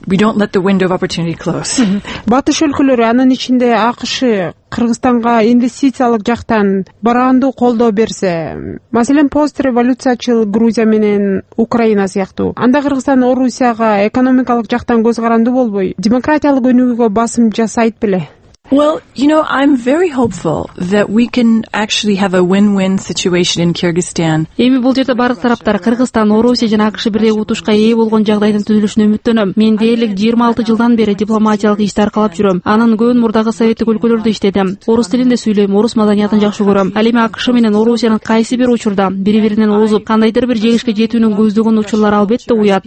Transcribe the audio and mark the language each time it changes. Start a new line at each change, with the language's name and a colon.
Kyrgyz: Батыш өлкөлөрү, анын ичинде АКШ Кыргызстанга инвестициялык жактан бараандуу колдоо берсе, маселен, постреволюциячыл Грузия менен Украина сыяктуу, анда Кыргызстан Орусияга экономикалык жактан көз каранды болбой, демократиялык өнүгүүгө басым жасайт беле?
English: Well, you know, I'm very hopeful that we can actually have a win-win situation in Kyrgyzstan.
Kyrgyz: Эми бул жерде бардык тараптар, Кыргызстан, Орусия жана АКШ бирдей утушка ээ болгон жагдайдын түзүлүшүнө үмүттөнөм. Мен дээрлик 26 жылдан бери дипломатиялык иш аркалап жүрөм. Анын көн мурдагы советтик өлкөлөрдө иштедим. Орус тилинде сүйлөйм, орус маданиятын жакшы көрөм. Ал эми АКШ менен Орусиянын кайсы бир учурда бири-биринен озуп, кандайдыр бир жеңишке жетүүнүн көздөгөн учурлар албетте уят.